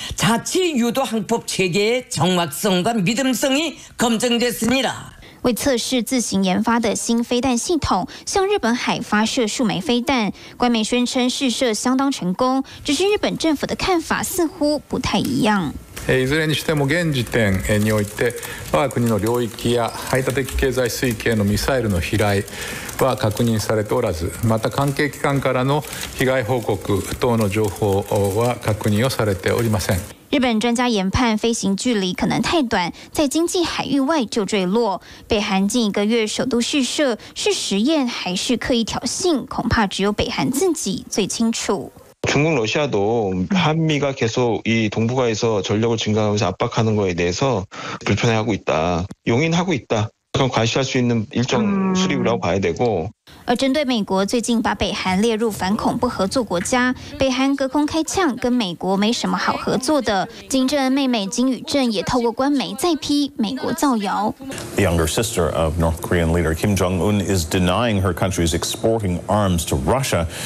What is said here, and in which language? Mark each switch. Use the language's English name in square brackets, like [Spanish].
[Korean] 자체유도항법체계의정확성과믿음성이검증됐습니다 [Chinese] 为测试自行研发的新飞弹系统，向日本海发射数枚飞弹，官媒宣称试射相当成功。只是日本政府的看法似乎不太一样。 [Japanese] いずれにしても現時点において、我が国の領域や排他的経済水域へのミサイルの飛来は確認されておらず、また関係機関からの被害報告等の情報は確認をされておりません。 [Chinese] 日本专家研判飞行距离可能太短，在经济海域外就坠落。北韩近一个月首度试射，是实验还是刻意挑衅，恐怕只有北韩自己最清楚。 [Korean] 중국러시아도한미가계속이동북아에서전력을증강하면서압박하는것에대해서불편해하고있다용인하고있다 그건 과시할 수 있는 일정 수립이라고 봐야 되고 [Chinese] 而针对美国最近把北韩列入反恐不合作国家，北韩隔空开枪，跟美国没什么好合作的。金正恩妹妹金宇镇也透过官媒再批美国造谣。 [English] The younger sister of North Korean leader Kim Jong-un is denying her country's exporting arms to Russia.